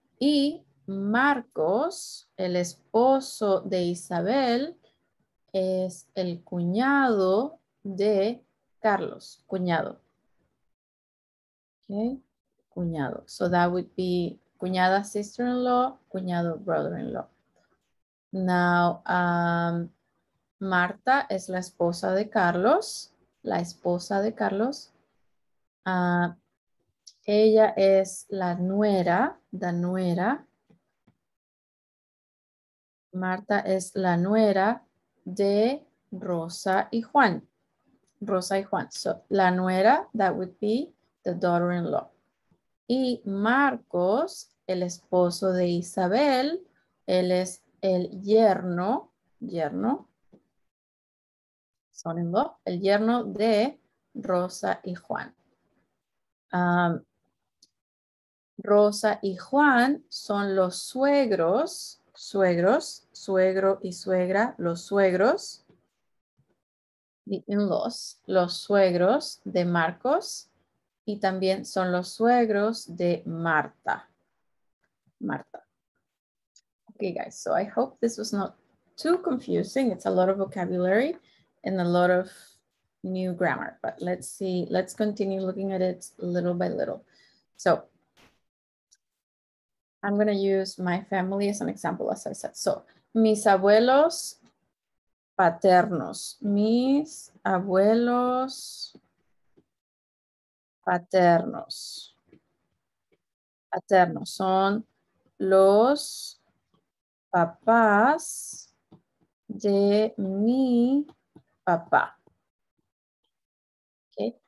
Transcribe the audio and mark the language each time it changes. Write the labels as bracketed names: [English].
[Spanish] Y Marcos, el esposo de Isabel, es el cuñado de Carlos. Cuñado. Okay. Cuñado. [English] So that would be cuñada sister-in-law, cuñado brother-in-law. [Spanish] Now, Marta es la esposa de Carlos. La esposa de Carlos. Ella es la nuera, la nuera. Marta es la nuera de Rosa y Juan. Rosa y Juan. [English] So, la nuera, that would be the daughter-in-law. [Spanish] Y Marcos, el esposo de Isabel, él es el yerno, son-in-law, el yerno de Rosa y Juan. Rosa y Juan son los suegros, suegro y suegra, los suegros, the in-laws, los suegros de Marcos, y también son los suegros de Marta. Marta. [English] Okay, guys, so I hope this was not too confusing. It's a lot of vocabulary and a lot of new grammar, but let's see, let's continue looking at it little by little. So I'm going to use my family as an example, as I said. [Spanish] So, mis abuelos paternos. Mis abuelos paternos. Paternos son los papás de mi papá. Okay.